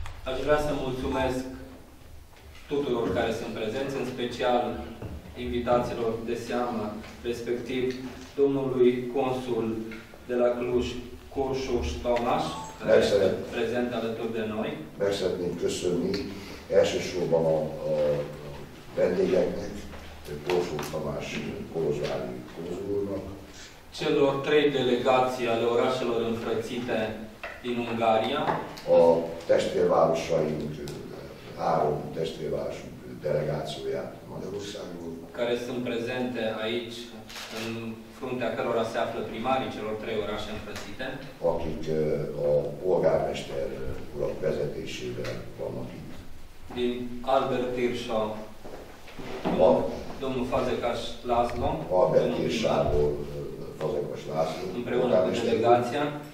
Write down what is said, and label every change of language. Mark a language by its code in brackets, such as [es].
[ro] Aș vrea să mulțumesc tuturor care sunt prezenți, în special invitaților de seamă, respectiv domnului consul de la Cluj, Kursus Tamás, care este prezent alături de noi. [hu] Meg szeretném köszönni elsősorban a vendégeknek, Kursus Tamás kolozsvári konzulnak. [ro] Celor trei delegații ale orașelor înfrățite din Ungaria. [hu] A testvérvárosaink, három testvérvárosunk delegációját Magyarországról. [ro] Care sunt prezente aici, în fruntea cărora se află primarii celor trei orașe înfrățite. [hu] Akik a polgármester urak vezetésével vannak itt. [ro] Din Albert Tirsa, domnul Fazekas László. [hu] Albert Tirsából Fazekas László. [ro] Împreună cu delegația.